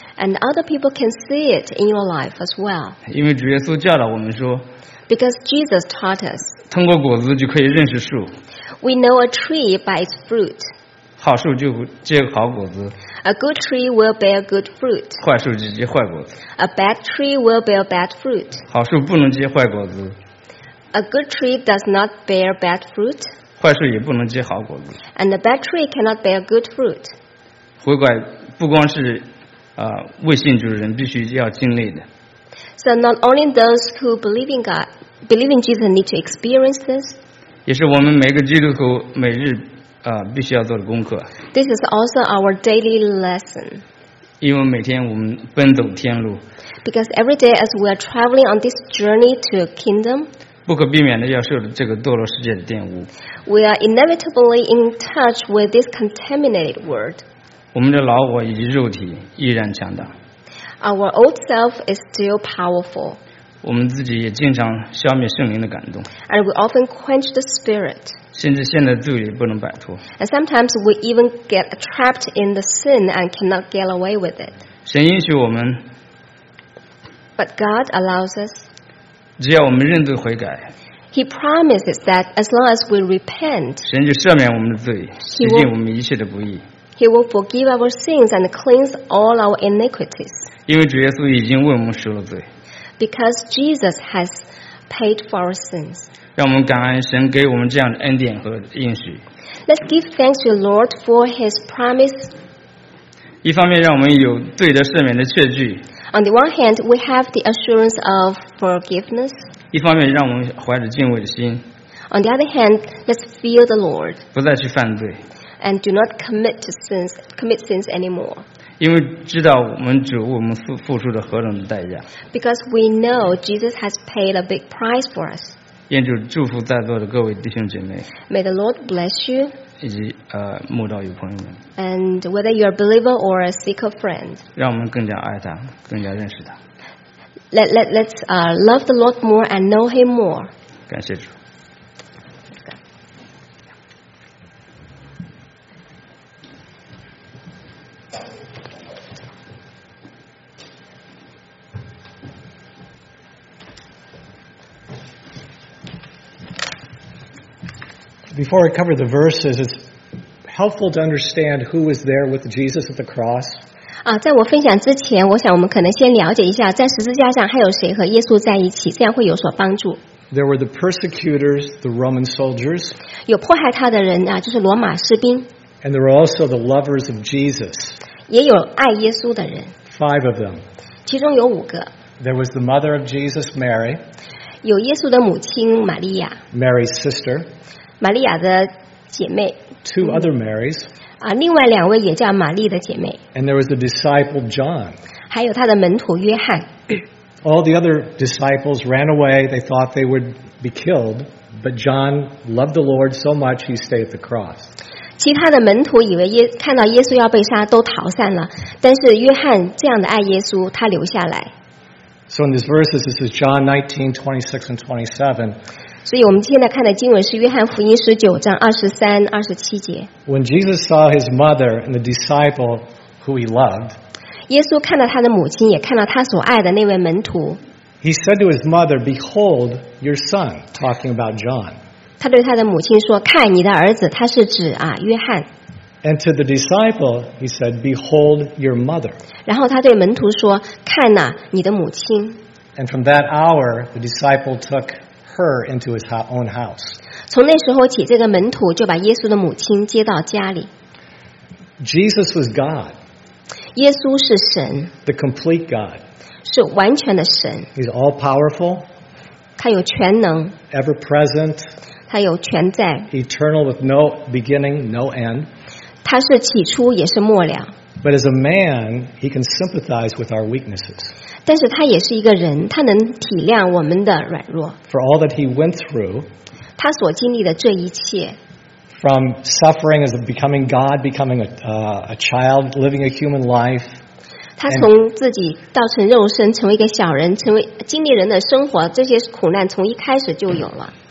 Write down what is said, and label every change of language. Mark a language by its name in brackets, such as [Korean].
[English] And other people can see it in your life as well. [Chinese] 因为主耶稣教导我们说。 [English] Because Jesus taught us. [Chinese] 通过果子就可以认识树。 [English] We know a tree by its fruit. [Chinese] 好树就结好果子。 [English] A good tree will bear good fruit. [Chinese] 坏树就结坏果子。 [English] A bad tree will bear bad fruit. [Chinese] 好树不能结坏果子。 [English] A good tree does not bear bad fruit. [Chinese] 坏树也不能结好果子。 [English] And a bad tree cannot bear good fruit. [Chinese] 悔改不光是未信主的人必须要经历的。 [English] So not only those who believe in God, believe in Jesus need to experience this. [Chinese] 也是我们每个基督徒每日必须要做的功课。 [English] This is also our daily lesson. [Chinese] 因为每天我们奔走天路。 [English] Because every day as we are traveling on this journey to a kingdom, [Chinese] 不可避免的要受这个堕落世界的玷污。 [English] We are inevitably in touch with this contaminated world. [Chinese] 我们的老我以及肉体依然强大。 [English] Our old self is still powerful. [Chinese] 我们自己也经常消灭圣灵的感动。 [English] And we often quench the spirit. [Chinese] 甚至现在罪也不能摆脱。 [English] And sometimes we even get trapped in the sin and cannot get away with it. [Chinese] 神允许我们。 [English] But God allows us. [Chinese] 只要我们认罪悔改。 [English] He promises that as long as we repent. [Chinese] 神就赦免我们的罪，洗净我们一切的不义。 [English] He will forgive our sins and cleanse all our iniquities. [Chinese] 因为主耶稣已经为我们赎了罪。 [English] Because Jesus has paid for our sins. [Chinese] 让我们感恩神给我们这样的恩典和应许。 [English] Let's give thanks to the Lord for His promise. [Chinese] 一方面让我们有罪得赦免的确据。 [English] On the one hand, we have the assurance of forgiveness. [Chinese] 一方面让我们怀着敬畏的心。 [English] On the other hand, let's fear the Lord. [Chinese] 不再去犯罪。 [English] And do not commit sins anymore. [Chinese] 因为知道我们主我们付出了何等的代价。 [English] Because we know Jesus has paid a big price for us. [Chinese] 愿主祝福在座的各位弟兄姐妹。 [English] May the Lord bless you. [Chinese] 以及慕道友朋友们。 [English] And whether you are a believer or a seeker friend. [Chinese] 让我们更加爱他，更加认识他。 [English] Let's love the Lord more and know Him more. [Chinese] 感谢主。 [English] Before I cover the verses, it's helpful to understand who was there with Jesus at the cross. [Chinese] 在我分享之前，我想我们可能先了解一下，在十字架上还有谁和耶稣在一起，这样会有所帮助。 [English] There were the persecutors, the Roman soldiers. [Chinese] 有迫害他的人啊，就是罗马士兵。 [English] And there were also the lovers of Jesus. [Chinese] 也有爱耶稣的人。 [English] Five of them. [Chinese] 其中有五个。 [English] There was the mother of Jesus, Mary. [Chinese] 有耶稣的母亲玛利亚。 [English] Mary's sister. [Chinese] 玛利亚的姐妹 [English] Two other Marys [Chinese] 另外两位也叫玛丽的姐妹 [English] And there was the disciple John [Chinese] 还有他的门徒约翰 [English] All the other disciples ran away They thought they would be killed But John loved the Lord so much He stayed at the cross [Chinese] 其他的门徒以为看到耶稣要被杀都逃散了但是约翰这样的爱耶稣他留下来 [English] So in these verses this is John 19, 26 and 27 [Chinese] 所以我们现在看的经文是约翰福音十九章二十三、二十七节。 [English] When Jesus saw his mother and the disciple who he loved, [Chinese] 耶稣看到他的母亲，也看到他所爱的那位门徒。 [English] He said to his mother, "Behold your son," talking about John. [Chinese] 他对他的母亲说：“看你的儿子，他是指啊约翰。 [English] And to the disciple, he said, "Behold your mother." [Chinese] 然后他对门徒说：“看哪，你的母亲。 [English] ”And from that hour, the disciple took. Her into his own house. [Chinese] 从那时候起，这个门徒就把耶稣的母亲接到家里。 [English] Jesus was God. [Chinese] 耶稣是神。 [English] The complete God. [Chinese] 是完全的神。 [English] He's all powerful. [Chinese] 他有全能。 [English] Ever present. [Chinese] 他有全在。 [English] Eternal with no beginning, no end. [Chinese] 他是起初，也是末了。 [English] But as a man, he can sympathize with our weaknesses. [Chinese] 但是他也是一个人，他能体谅我们的软弱。 [English] For all that he went through, [Chinese] 他所经历的这一切 [English] ，from suffering as becoming God, becoming a child, living a human life, [Chinese] 他从自己道成肉身，成为一个小人，成为经历人的生活，这些苦难从一开始就有了。